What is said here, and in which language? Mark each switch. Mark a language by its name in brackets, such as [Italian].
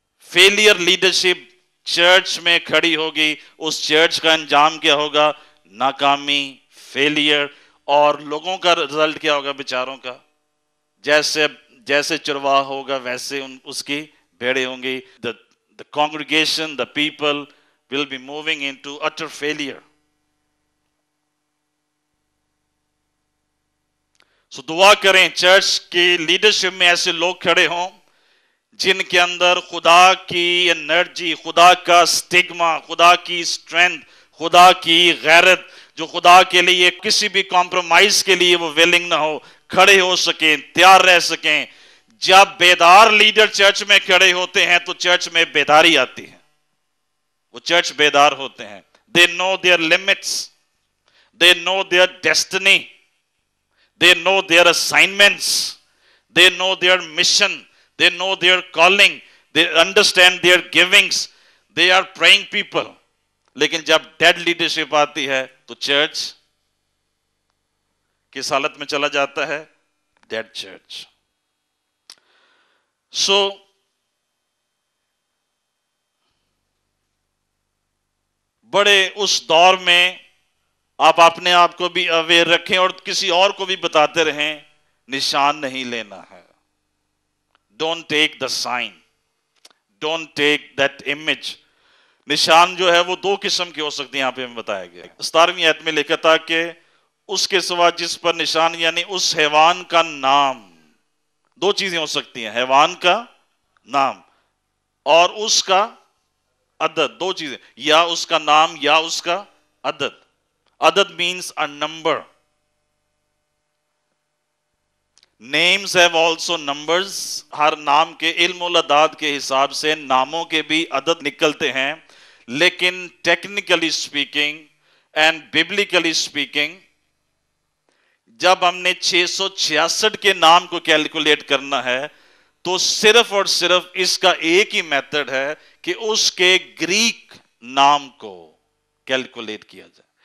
[Urdu] Failure leadership church میں کھڑی ہوگی، اس چرچ کا انجام کیا ہوگا، ناکامی، فیلئر، اور لوگوں کا رزلٹ کیا ہوگا، بیچاروں کا، جیسے چرواہ ہوگا ویسے اس کی بھیڑے ہوں گی. [English] The congregation, the people will be moving into utter failure. [Urdu] So دعا کریں چرچ کی لیڈرشپ میں ایسے لوگ کھڑے ہوں جن کے اندر خدا کی انرجی، خدا کا سٹگما، خدا کی سٹرینتھ، خدا کی غیرت، جو خدا کے لیے کسی بھی کمپرومائز کے لیے وہ ویلنگ نہ ہو, کھڑے ہو سکیں, تیار رہ سکیں. جب بیدار لیڈر چرچ میں کھڑے ہوتے ہیں تو چرچ میں بیداری آتی ہے. وہ چرچ بیدار ہوتے ہیں. [English] They know their limits, they know their destiny, they know their assignments, they know their mission, they know their calling, they understand their givings, they are praying people. [Urdu] لیکن جب ڈیڈ لیڈرشپ آتی ہے تو چرچ کس حالت میں چلا جاتا ہے؟ Dead church. سو بڑے اس دور میں آپ اپنے آپ کو بھی اویئر رکھیں اور کسی اور کو بھی بتاتے رہیں, نشان نہیں لینا ہے. [English] Don't take the sign, don't take that image. [Urdu] نشان جو ہے وہ دو قسم کے ہو سکتے ہیں. یہاں پہ ہمیں بتایا گیا 17ویں آیت میں لکھا تھا کہ اس کے سوا جس پر نشان, یعنی اس حیوان کا نام. دو چیزیں ہو سکتی ہیں, حیوان کا نام اور اس کا عدد. دو چیزیں, یا اس کا نام یا اس کا عدد. [English] عدد means a number. Names have also numbers. [Urdu] ہر نام کے علم العداد کے حساب سے ناموں کے بھی عدد نکلتے ہیں. لیکن [English] technically speaking and biblically speaking, [Urdu] جب ہم نے 666 کے نام کو کیلکولیٹ کرنا ہے تو صرف اور صرف اس کا ایک ہی میتھڈ ہے کہ اس کے گریک نام کو کیلکولیٹ کیا جائے.